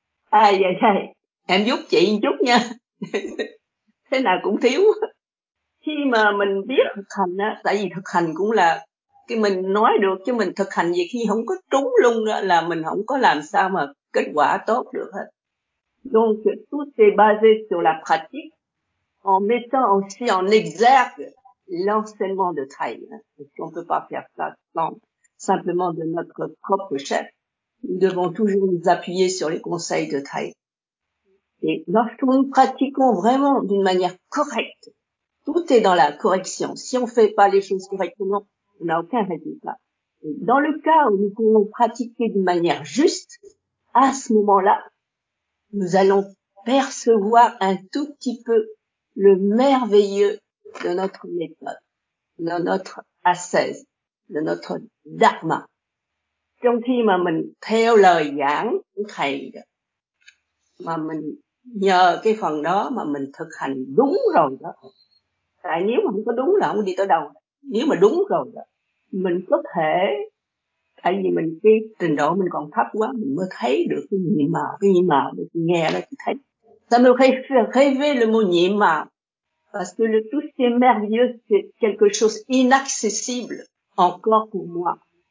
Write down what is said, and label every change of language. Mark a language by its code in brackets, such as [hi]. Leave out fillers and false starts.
[vi] À vậy thôi, em giúp chị một chút nha. Thế nào cũng thiếu. Khi mà mình biết thực hành á, tại vì thực hành cũng là cái mình nói được, chứ mình thực hành gì khi không có trúng lung á, là mình không có làm sao mà kết quả tốt được hết. [fr] Donc tout est basé sur la pratique en mettant aussi en exergue l'enseignement de thầy. On peut pas faire ça sans, simplement de notre propre chef. Nous devons toujours nous appuyer sur les conseils de thầy. Et lorsque nous pratiquons vraiment d'une manière correcte, tout est dans la correction. Si on ne fait pas les choses correctement, on n'a aucun résultat. Et dans le cas où nous pouvons pratiquer d'une manière juste, à ce moment-là, nous allons percevoir un tout petit peu le merveilleux de notre méthode, de notre ascèse, de notre dharma. [vi] Trong khi mà mình theo lời giảng của thầy, mà mình nhờ cái phần đó mà mình thực hành đúng rồi đó, tại nếu mà không có đúng là không đi tới đâu. Nếu mà đúng rồi đó, mình có thể, tại vì mình cái trình độ mình còn thấp quá, mình mới thấy được cái nhiệm màu được nghe đó, cái thấy [fr] ça me rêver le mot [vi] nhiệm màu, [fr] parce que le tout c'est merveilleux, c'est quelque chose inaccessible encore pour moi.